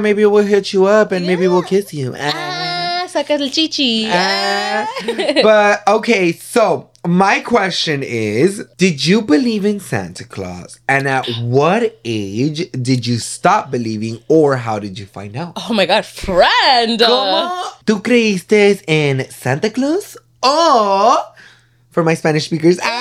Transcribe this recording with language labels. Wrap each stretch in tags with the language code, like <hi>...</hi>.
<en>Maybe we'll hit you up and maybe we'll kiss you.</en> <es>Sacas el chichi.</es> <en>But, okay, so my question is, did you believe in Santa Claus? And at what age did you stop believing, or how did you find out? Oh, my God, friend.</en> <es>¿Cómo? ¿Tú creíste en Santa Claus?</es> <en>Oh, for my Spanish speakers.</en>